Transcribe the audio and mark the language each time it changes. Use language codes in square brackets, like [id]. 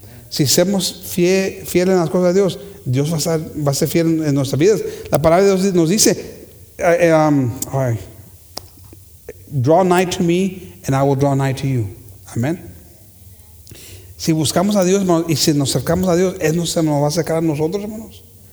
[es] Si somos fieles en las cosas de Dios, Dios va a ser fiel en nuestras vidas. La palabra de Dios nos dice, [en] draw nigh to me and I will draw nigh to you. Amen. [es] Si buscamos a Dios, hermanos, y si nos acercamos a Dios, Él se nos va a acercar a nosotros, hermanos.